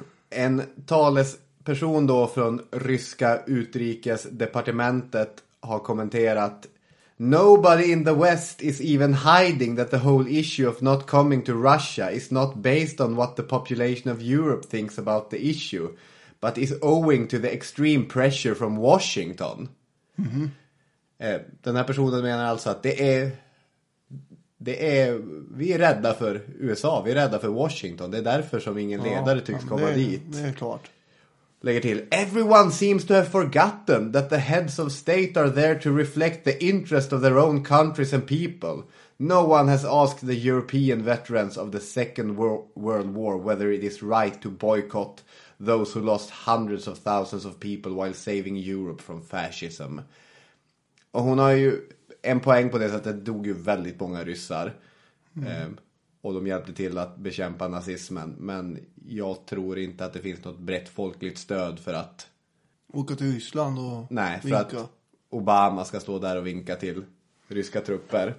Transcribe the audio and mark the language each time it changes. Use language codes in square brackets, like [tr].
[sv] En talesperson då från ryska utrikesdepartementet har kommenterat: [en] "Nobody in the West is even hiding that the whole issue of not coming to Russia is not based on what the population of Europe thinks about the issue, but is owing to the extreme pressure from Washington." Mm-hmm. [sv] Den här personen menar alltså att vi är rädda för USA, vi är rädda för Washington. Det är därför som ingen ledare tycks komma dit. Det är klart. Lägger till: [en] "Everyone seems to have forgotten that the heads of state are there to reflect the interest of their own countries and people. No one has asked the European veterans of the Second World War whether it is right to boycott those who lost hundreds of thousands of people while saving Europe from fascism." [sv] Och hon har ju en poäng på det, så att det dog ju väldigt många ryssar. Och de hjälpte till att bekämpa nazismen. Men jag tror inte att det finns något brett folkligt stöd för att... åka till Ryssland och vinka. Nej, för att Obama ska stå där och vinka till ryska trupper.